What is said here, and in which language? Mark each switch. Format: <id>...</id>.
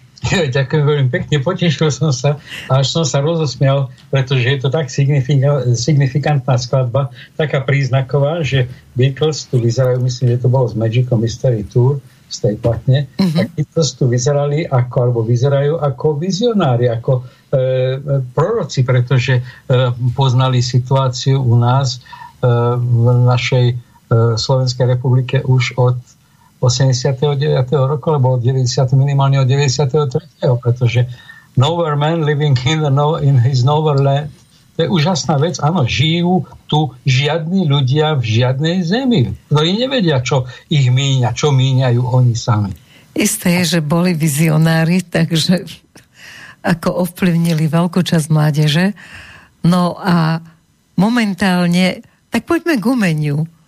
<sk>Ďakujem veľmi pekne, potešil som sa, až som sa rozosmial, pretože je to tak signifikantná skladba, taká príznaková, že Beatles tu vyzerajú, myslím, že to bolo s Magic Mystery Tour z tej platne, tak Beatles tu vyzerali ako, alebo vyzerajú ako vizionári, ako proroci, pretože poznali situáciu u nás v našej Slovenskej republike už od 89. roku, alebo od 90. minimálne od 93. pretože</sk> <en>nowhere man living in his nowhere land.</en> <sk>To je úžasná vec. Áno, žijú tu žiadni ľudia v žiadnej zemi. Oni nevedia, čo ich míňa, čo míňajú oni sami. Isté je, že boli vizionári, takže ako ovplyvnili veľkú časť mládeže. No a momentálne, tak poďme k umeniu.</sk>